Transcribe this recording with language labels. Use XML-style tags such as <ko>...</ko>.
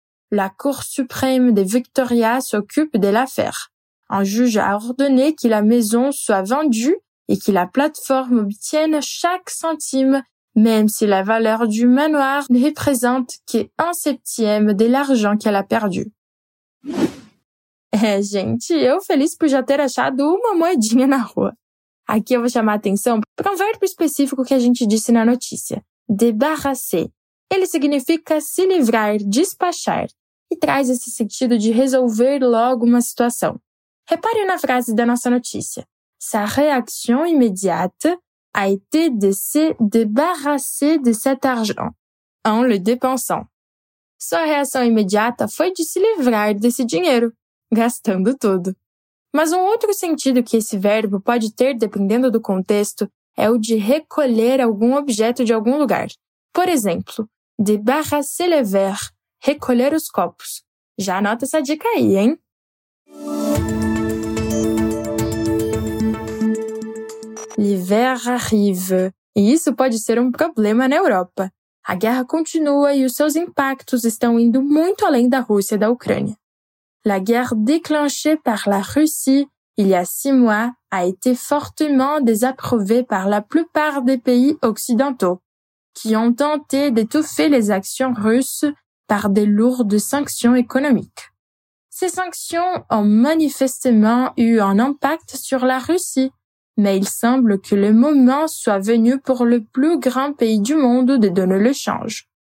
<fr>La Cour suprême de Victoria s'occupe de l'affaire. Un juge a ordonné que la maison soit vendue et que la plateforme obtienne chaque centime, même si la valeur du manoir ne représente qu'un septième de l'argent qu'elle a perdu.</fr> <pt>É, gente, eu feliz por já ter achado uma moedinha na rua. Aqui eu vou chamar a atenção para um verbo específico que a gente disse na notícia. Débarrasser. Ele significa se livrar, despachar. E traz esse sentido de resolver logo uma situação. Repare na frase da nossa notícia.</pt> <fr>Sa réaction immédiate a été de se débarrasser de cet argent en le dépensant.</fr> <pt>Sua reação imediata foi de se livrar desse dinheiro, gastando tudo. Mas um outro sentido que esse verbo pode ter, dependendo do contexto, é o de recolher algum objeto de algum lugar. Por exemplo,</pt> <fr>débarrasser les verres,</fr> <pt>recolher os copos. Já anota essa dica aí, hein?</pt> <fr>L'hiver arrive.</fr> <pt>E isso pode ser um problema na Europa. A guerra continua e os seus impactos estão indo muito além da Rússia e da Ucrânia.</pt> <fr>La guerre déclenchée par la Russie il y a 6 mois a été fortement désapprouvée par la plupart des pays occidentaux, qui ont tenté d'étouffer les actions russes par des lourdes sanctions économiques. Ces sanctions ont manifestement eu un impact sur la Russie, mais il semble que le moment soit venu pour le plus grand pays du monde de donner le change.</fr>